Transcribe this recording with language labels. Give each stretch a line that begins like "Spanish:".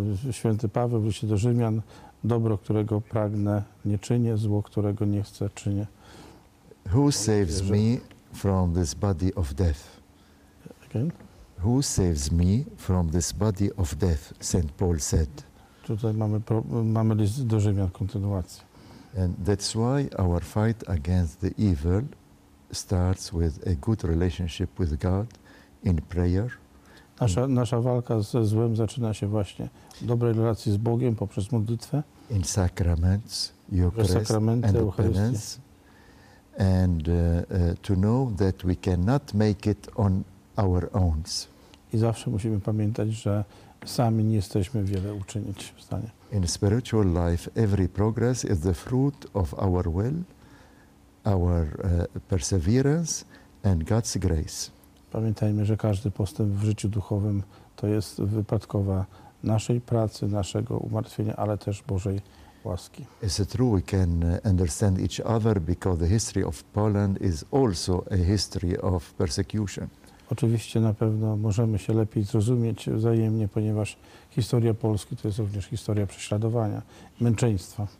Polish: Święty Paweł w liście do Rzymian, dobro, którego pragnę, nie czynię, zło, którego nie chcę, czynię.
English: Who saves me from this body of death? Again? Who saves me from this body of death, St. Paul said.
Polish: Tutaj mamy list do Rzymian, kontynuację.
English: And that's why our fight against the evil starts with a good relationship with God in prayer.
Polish: Nasza walka ze złem zaczyna się właśnie w dobrej relacji z Bogiem poprzez modlitwę.
English: In sacraments, Eucharist and penance. And to know that we cannot make it on our own.
Polish: I zawsze musimy pamiętać, że sami nie jesteśmy wiele uczynić w stanie.
English: In spiritual life, every progress is the fruit of our will, our perseverance and God's grace.
Polish: Pamiętajmy, że każdy postęp w życiu duchowym to jest wypadkowa naszej pracy, naszego umartwienia, ale też Bożej łaski.
English: Is it true we can understand each other because the history of Poland is also a history of persecution?
Polish: Oczywiście na pewno możemy się lepiej zrozumieć wzajemnie, ponieważ historia Polski to jest również historia prześladowania, męczeństwa.